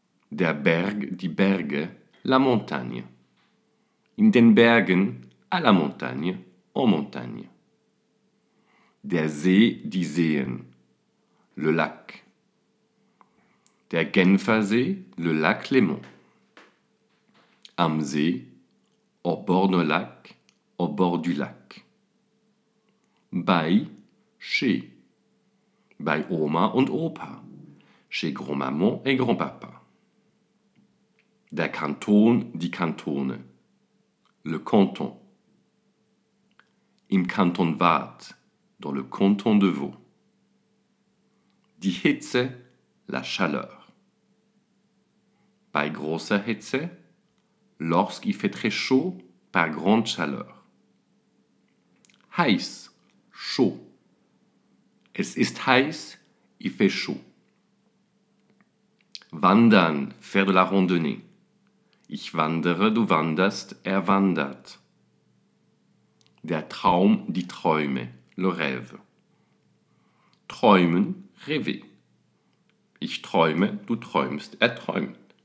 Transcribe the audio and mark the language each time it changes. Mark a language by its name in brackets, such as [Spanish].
[German] Der Berg, die Berge, [French] la montagne. [German] In den Bergen, [French] à la montagne, en montagne. [German] Der See, die Seen, [French] le lac. [German] Der Genfer See, [French] le lac Léman. [German] Am See, [French] au bord du lac, au bord du lac. [German] Bei, [French] chez. [German] Bei Oma und Opa. [French] Chez Grand-Maman et Grand-Papa. [German] Der Kanton, die Kantone. [French] Le canton. [German] Im Kanton Waadt, [French] dans le canton de Vaud. [German] Die Hitze, [French] la chaleur. [German] Bei großer Hitze, [French] lorsqu'il fait très chaud, par grande chaleur. [German] Heiß, [French] chaud. [German] Es ist heiß, [French] il fait chaud. [German] Wandern, [French] faire de la randonnée. [German] Ich wandere, du wanderst, er wandert. Der Traum, die Träume, [French] le rêve. [German] Träumen, [French] rêver. [German] Ich träume, du träumst, er träumt.